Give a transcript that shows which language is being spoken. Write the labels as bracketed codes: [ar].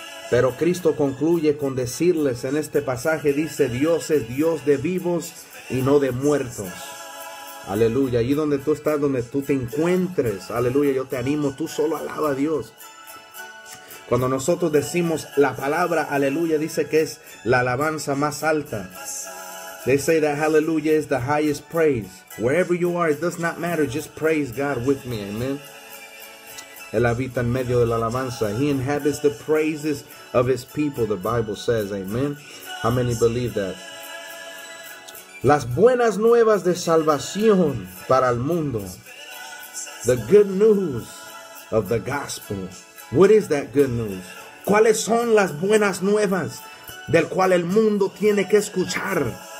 [es] Pero Cristo concluye con decirles en este pasaje, dice, Dios es Dios de vivos y no de muertos. Aleluya, allí donde tú estás, donde tú te encuentres, aleluya, yo te animo, tú solo alaba a Dios. Cuando nosotros decimos la palabra, aleluya, dice que es la alabanza más alta. [en] They say that hallelujah is the highest praise. Wherever you are, it does not matter. Just praise God with me. Amen. [es] Él habita en medio de la alabanza. [en] He inhabits the praises of his people, the Bible says. Amen. How many believe that? [es] Las buenas nuevas de salvación para el mundo. [en] The good news of the gospel. What is that good news? [es] ¿Cuáles son las buenas nuevas del cual el mundo tiene que escuchar?